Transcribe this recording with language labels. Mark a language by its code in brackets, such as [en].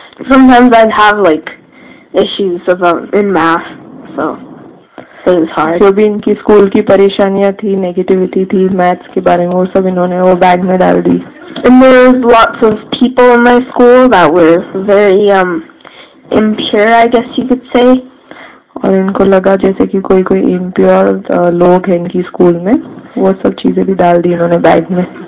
[en] sometimes I'd have, like, issues in math, so it was hard. [hi] जो भी इनकी school की परेशानियाँ थी, negativity थी, maths के बारे में, वो सब इन्होंने वो bag में डाल दी. [en] And there was lots of people in my school that were very, impure, I guess you could say. [hi] और इनको लगा जैसे कि कोई कोई इम्प्योर लोग हैं इनकी स्कूल में, वो सब चीजें भी डाल दी इन्होंने बैग में.